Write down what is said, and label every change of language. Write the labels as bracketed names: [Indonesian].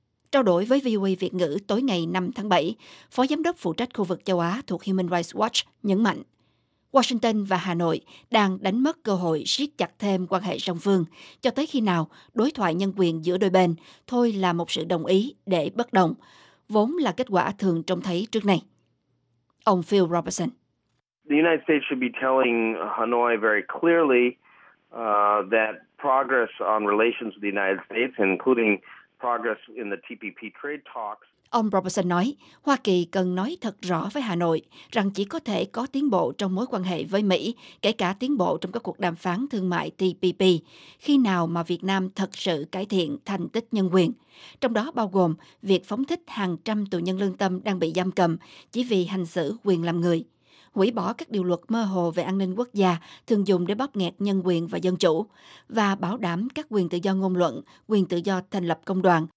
[Vietnamese] Trao đổi với VOA Việt ngữ tối ngày 5 tháng 7, Phó Giám đốc phụ trách khu vực châu Á thuộc Human Rights Watch nhấn mạnh Washington và Hà Nội đang đánh mất cơ hội siết chặt thêm quan hệ song phương, cho tới khi nào đối thoại nhân quyền giữa đôi bên thôi là một sự đồng ý để bất đồng, vốn là kết quả thường trông thấy trước nay. Ông Phil Robertson. [English] The United States should be telling Hanoi very clearly that progress on relations with the United States, including progress in the TPP trade talks. [Vietnamese] Ông Robertson nói, Hoa Kỳ cần nói thật rõ với Hà Nội rằng chỉ có thể có tiến bộ trong mối quan hệ với Mỹ, kể cả tiến bộ trong các cuộc đàm phán thương mại TPP, khi nào mà Việt Nam thật sự cải thiện thành tích nhân quyền, trong đó bao gồm việc phóng thích hàng trăm tù nhân lương tâm đang bị giam cầm chỉ vì hành xử quyền làm người, hủy bỏ các điều luật mơ hồ về an ninh quốc gia thường dùng để bóp nghẹt nhân quyền và dân chủ, và bảo đảm các quyền tự do ngôn luận, quyền tự do thành lập công đoàn,